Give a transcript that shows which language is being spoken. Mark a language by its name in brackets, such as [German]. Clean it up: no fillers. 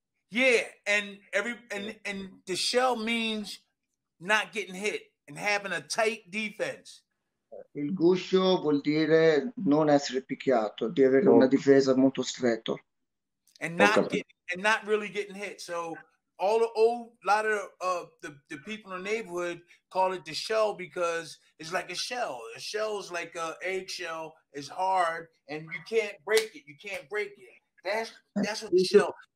[English] Yeah, and the shell means not getting hit and having a tight defense. [Italian] Il guscio vuol dire non essere picchiato, di avere una difesa molto stretta. [English] And not really getting hit. So all the old lot of the people in the neighborhood call it the shell because it's like a shell. A shell is like an eggshell. It's hard, and you can't break it. You can't break it. That's what the shell.